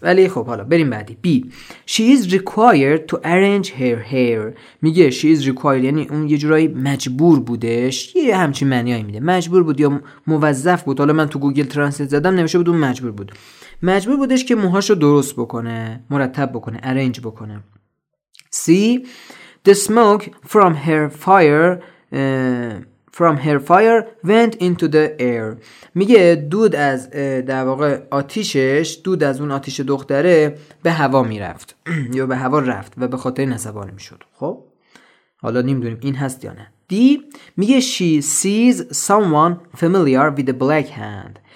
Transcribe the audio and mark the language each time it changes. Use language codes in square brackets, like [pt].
[fa] ولی خب حالا بریم بعدی. [en] B. She is required to arrange her hair. [fa] میگه [en] she is required، [fa] یعنی اون یه جورایی مجبور بودش، یه همچین معنیایی میده. مجبور بود یا موظف بود، حالا من تو گوگل ترنسلیت زدم نمیشه بود، اون مجبور بود، مجبور بودش که موهاشو درست بکنه، مرتب بکنه، ارنج بکنه. [en] C. The smoke from her fire went into the air. [fa] میگه دود از در واقع آتیشش، دود از اون آتیش دختره به هوا میرفت یا به هوا رفت و به خاطر عصبانی میشد. خب حالا نمیدونیم این هست یا نه. دی میگه [en] she sees someone familiar with a black hand.